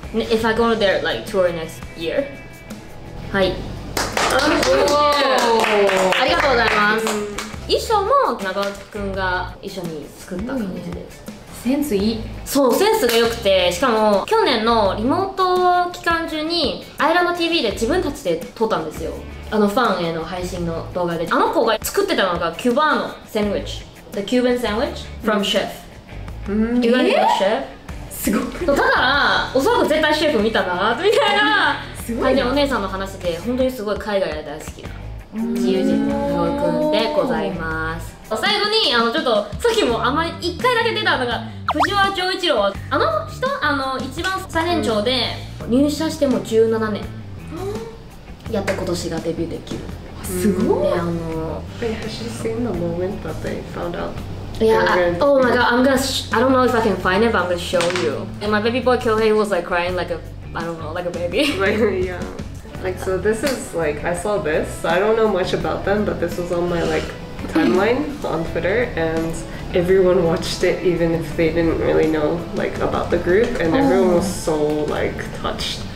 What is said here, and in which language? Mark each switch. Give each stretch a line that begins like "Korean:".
English: If I go there like tour next year.
Japanese: はい。すごい。ありがとうございます。衣装も長尾くんが一緒に作った感じです。センスいい。そう、センスが良くて、しかも去年のリモート期間中にアイランド TV で自分たちで撮ったんですよ、あのファンへの配信の動画で。あの子が作ってたのがキューバのサンドイッチ、
English: The Cuban Sandwich from Chef、
Japanese: キューバのシェフ、すごい。だからおそらく絶対シェフ見たなみたいな。すごい、ね、お姉さんの話で本当にすごい海外で大好きな自由人の長尾くんでございます。最後にあのちょっとさっきもあんまり1回だけ出たのが藤原丈一郎、あの人、あの一番最年長で、うん、入社しても17年、うん、やっと今年がデビューできる。すごい。で、あの
English: Have you seen the moment that they found out? Oh my god, I don't know if I can find it, but I'm gonna show you. And my baby boy Kyohei was like crying like a, I don't know, like a baby. Yeah. Like, so this is like, I saw this, I don't know much about them, but this was on my like,timeline on Twitter, and everyone watched it even if they didn't really know like about the group, and everyone was so like touched.